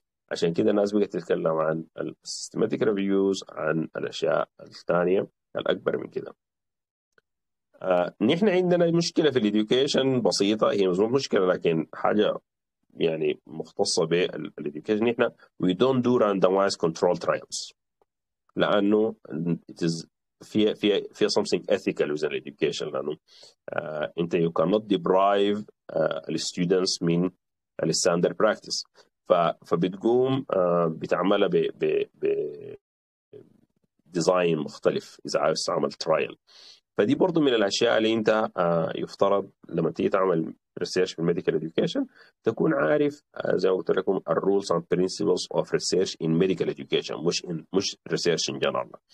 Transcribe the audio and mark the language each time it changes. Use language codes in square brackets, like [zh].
[ar] عشان كده الناس بقت تتكلم عن الـ systematic reviews، عن الأشياء الثانية الأكبر من كده. نحن عندنا مشكلة في الـ education بسيطة، هي مو مشكلة لكن حاجة يعني مختصة بالـ education. [en] نحن we don't do randomized control trials [ar] لأنه [en] it is في something ethical within education، لأنه أنت you cannot deprive the students [ar] من [en] the standard practice. [ar] فبتقوم بتعملها ب ديزاين مختلف اذا عايز تعمل ترايل. فدي برضو من الاشياء اللي انت يفترض لما تيجي تعمل ريسيرش في ميديكال اديوكيشن تكون عارف زي ما قلت لكم [en] الرولز and principles of research in medical education, [ar] مش [en] Research in general.